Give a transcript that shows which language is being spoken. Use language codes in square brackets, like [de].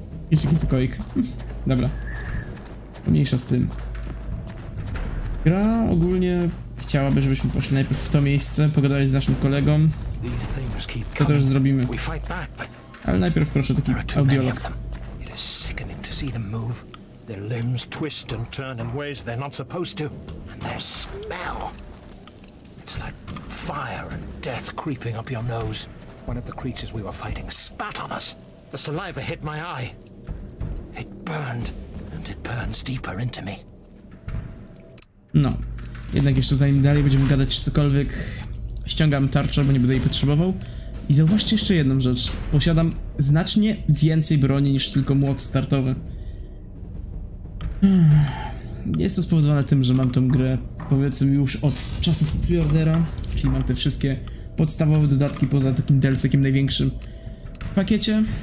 [pl] Jeszcze taki pokoik. Dobra, mniejsza z tym. Gra ogólnie chciałaby, żebyśmy poszli najpierw w to miejsce, pogadali z naszym kolegą. To też zrobimy. Ale najpierw proszę taki audiolog. [en] It is sickening to see them move. Their limbs twist and turn in ways they're not supposed to. And their smell. It's like fire and death creeping up your nose. One of the creatures we were fighting spat on us. The saliva hit my eye. It burned and it burns deeper into me. [pl] No, jednak jeszcze zanim dalej będziemy gadać cokolwiek, ściągam tarczę, bo nie będę jej potrzebował. I zauważcie jeszcze jedną rzecz, posiadam znacznie więcej broni niż tylko młot startowy. Jest to spowodowane tym, że mam tą grę powiedzmy już od czasów preordera, czyli mam te wszystkie podstawowe dodatki poza takim delcekiem największym w pakiecie.